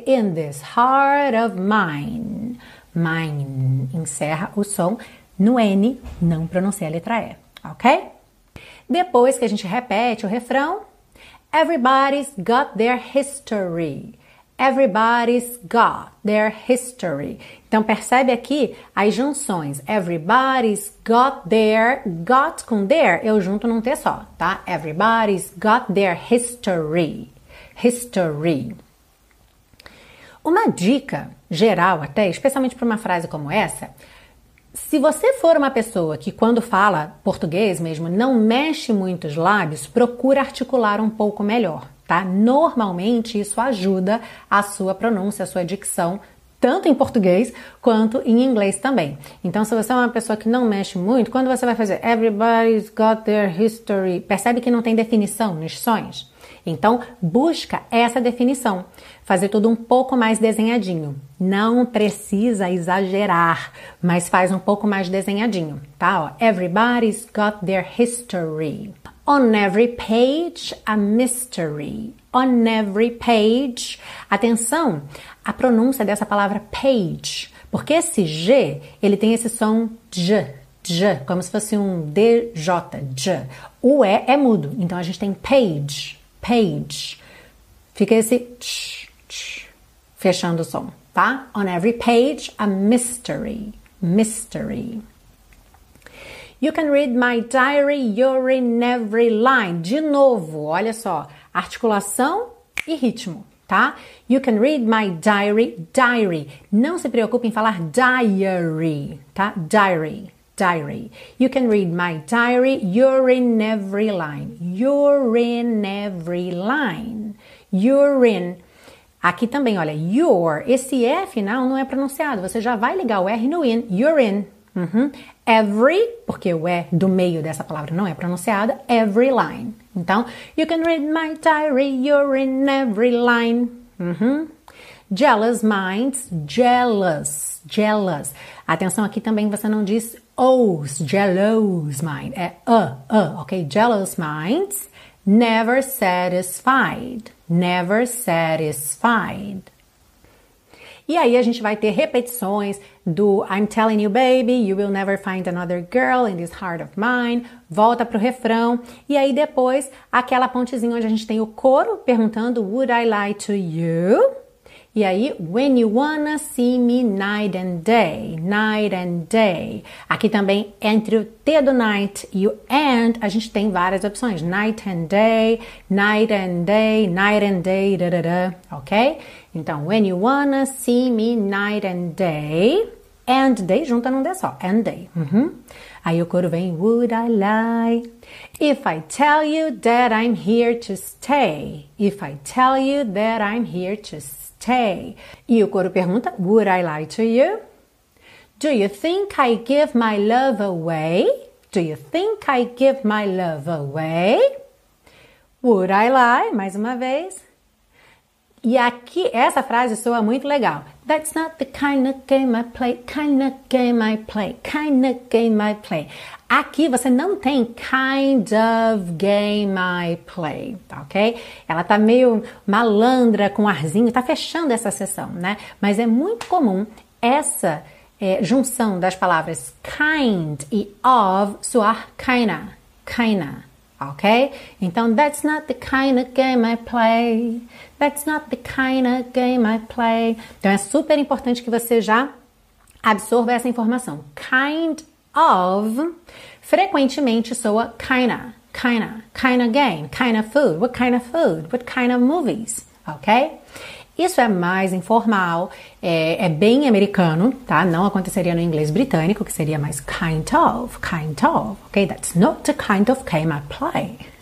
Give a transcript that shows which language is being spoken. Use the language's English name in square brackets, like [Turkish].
[English] In this heart of mine, mine, [Portuguese] encerra o som no N, não pronuncia a letra E, ok? Depois que a gente repete o refrão, [English] everybody's got their history, [Portuguese] everybody's got their history. Então percebe aqui as junções. Everybody's got their, got com their, eu junto num T só, tá? [English] Everybody's got their history. History. [Portuguese] Uma dica geral até, especialmente para uma frase como essa, se você for uma pessoa que quando fala português mesmo não mexe muito os lábios, procura articular um pouco melhor. Tá? Normalmente isso ajuda a sua pronúncia, a sua dicção, tanto em português quanto em inglês também. Então, se você é uma pessoa que não mexe muito, quando você vai fazer [English] everybody's got their history, [Portuguese] percebe que não tem definição nos sons? Então, busca essa definição, fazer tudo um pouco mais desenhadinho. Não precisa exagerar, mas faz um pouco mais desenhadinho, tá? [English] Ó, everybody's got their history. On every page, a mystery. On every page. [Portuguese] Atenção à pronúncia dessa palavra page. Porque esse G, ele tem esse som J, J. Como se fosse um DJ, J. O E é mudo. Então, a gente tem page, page. Fica esse tch, tch, fechando o som, tá? [English] On every page, a mystery, mystery. You can read my diary, you're in every line. [Portuguese] De novo, olha só, articulação e ritmo, tá? [English] You can read my diary, diary. [Portuguese] Não se preocupe em falar diary, tá? [English] Diary, diary. You can read my diary, you're in every line. You're in every line. You're in. [Portuguese] Aqui também, olha, you're. Esse E final não é pronunciado, você já vai ligar o R no in. You're in. Uhum. Every, porque o E do meio dessa palavra não é pronunciada, every line. [English] Então, you can read my diary, you're in every line. Uhum. Jealous minds, jealous, jealous. [Portuguese] Atenção aqui também, você não diz os, jealous mind, é ok? [English] Jealous minds, never satisfied, never satisfied. [Portuguese] E aí a gente vai ter repetições do [English] I'm telling you, baby, you will never find another girl in this heart of mine. [Portuguese] Volta pro refrão. E aí depois, aquela pontezinha onde a gente tem o coro perguntando [English] would I lie to you? E aí, when you wanna see me night and day, night and day. [Portuguese] Aqui também, entre o T do night e o and, a gente tem várias opções. [English] Night and day, night and day, night and day, da, da, da, ok? Então, when you wanna see me night and day, and day [Portuguese] junta num D só, [English] and day. Uhum. [Portuguese] Aí o coro vem, [English] would I lie? If I tell you that I'm here to stay. If I tell you that I'm here to stay. [Portuguese] E o coro pergunta, [English] would I lie to you? Do you think I give my love away? Do you think I give my love away? Would I lie? [Portuguese] Mais uma vez. E aqui, essa frase soa muito legal. [English] That's not the kind of game I play, kind of game I play, kind of game I play. [Portuguese] Aqui você não tem [English] kind of game I play, [Portuguese] tá ok? Ela tá meio malandra, com arzinho, tá fechando essa sessão, né? Mas é muito comum essa junção das palavras kind e of soar kinda, kinda. Ok? [English] Então, that's not the kind of game I play. That's not the kind of game I play. [Portuguese] Então, é super importante que você já absorva essa informação. [English] Kind of, [Portuguese] frequentemente soa [English] kinda, kinda, kinda game, kinda food. What kind of food? What kind of movies? Ok? [Portuguese] Isso é mais informal, é bem americano, tá? Não aconteceria no inglês britânico, que seria mais kind of, ok? [English] That's not the kind of game I play.